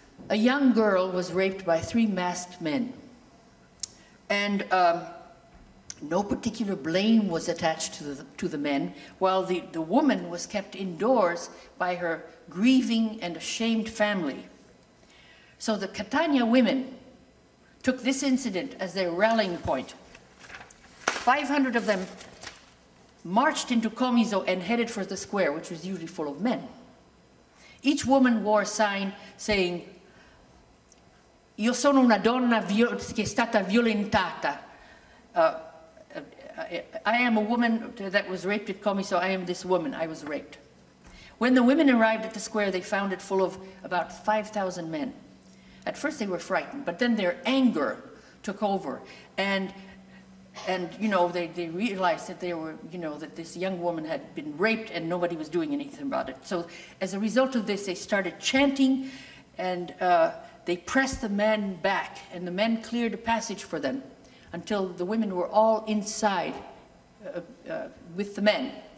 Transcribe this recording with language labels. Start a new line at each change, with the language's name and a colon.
English: A young girl was raped by three masked men, and no particular blame was attached to the men, while the woman was kept indoors by her grieving and ashamed family. So the Catania women took this incident as their rallying point. 500 of them marched into Comiso and headed for the square, which was usually full of men. Each woman wore a sign saying,
Italian: "Io sono una donna che è stata violentata."
English: I am a woman that was raped at Comiso. I am this woman. I was raped. When the women arrived at the square, they found it full of about 5,000 men. At first, they were frightened, but then their anger took over, and you know, they realized that they were, you know, that this young woman had been raped, and nobody was doing anything about it. So, as a result of this, they started chanting, and they pressed the men back, and the men cleared a passage for them until the women were all inside with the men.